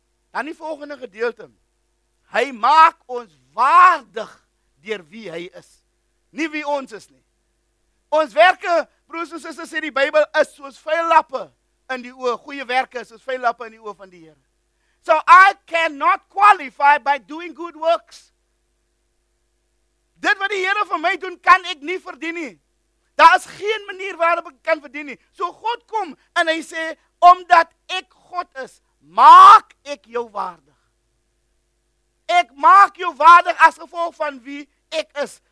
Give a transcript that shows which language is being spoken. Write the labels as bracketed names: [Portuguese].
[Afrikaans] Dan die volgende gedeelte, hy maak ons waardig deur wie hy is, nie wie ons is nie. Ons werke, broers en susters, sê die Bybel, is soos vuil lappe in die oog. Goeie werke is soos vuil lappe in die oog van die Here. [English] So I cannot qualify by doing good works. [Afrikaans] Dit wat die Here vir my doen, kan ek nie verdien nie. Daar is geen manier waarop ek kan verdien nie. So God kom en hy sê, omdat ek God is, maak ek jou waardig. Ek maak jou waardig as gevolg van wie ek is.